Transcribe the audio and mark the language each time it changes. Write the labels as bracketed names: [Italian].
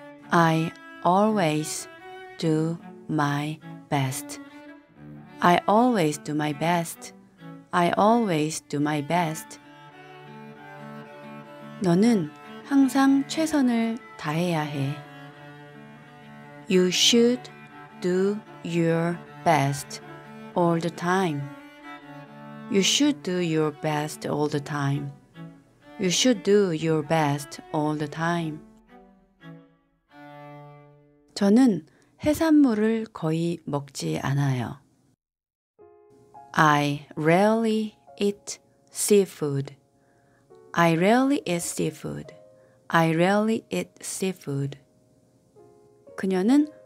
[English] I always do my best. I always do my best. I always do my best. [Korean] 너는 항상 최선을 다해야 해. [English] You should do your best all the time. You should do your best all the time. You should do your best all the time. [Korean] 저는 해산물을 거의 먹지 않아요. [English] I rarely eat seafood. I rarely eat seafood. I rarely eat seafood. 그녀는